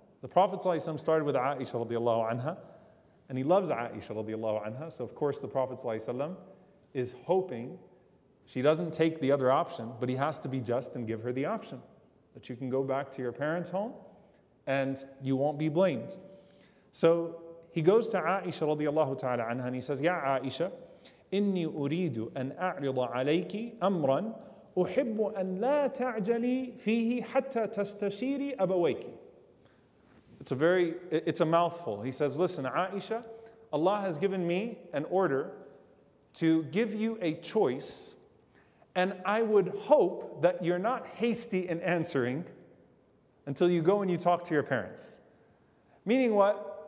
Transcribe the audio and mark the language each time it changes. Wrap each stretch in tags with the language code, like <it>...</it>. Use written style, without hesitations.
<en>The Prophet ﷺ started with Aisha رضي الله عنها, and he loves Aisha رضي الله عنها, so of course the Prophet ﷺ is hoping she doesn't take the other option, but he has to be just and give her the option that you can go back to your parents' home and you won't be blamed. So he goes to Aisha</en> <ar>رضي الله تعالى عنها</ar> <en>and he says,</en> <ar>Ya Aisha, إني أريد أن أعرض عليك أمرا أحب أن لا تعجلي فيه حتى تستشيري أبويك.</ar> <en>It's a mouthful. He says, listen, Aisha, Allah has given me an order to give you a choice, and I would hope that you're not hasty in answering until you go and you talk to your parents. Meaning what?</en>